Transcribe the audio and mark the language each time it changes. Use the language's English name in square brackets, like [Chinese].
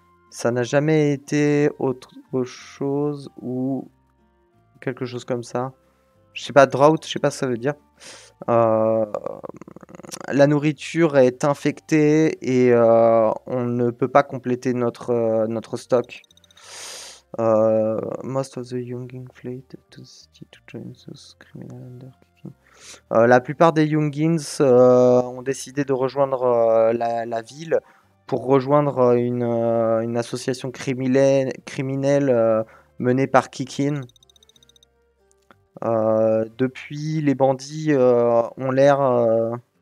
[French] Ça n'a jamais été autre chose ou quelque chose comme ça. Je sais pas, drought, je sais pas ce que ça veut dire. La nourriture est infectée et on ne peut pas compléter notre stock. [English] Most of the younglings fled to the city to join those criminals undercooking. [French] La plupart des younglings ont décidé de rejoindre la ville pour rejoindre une association criminelle menée par Kikin. Depuis, les bandits ont l'air.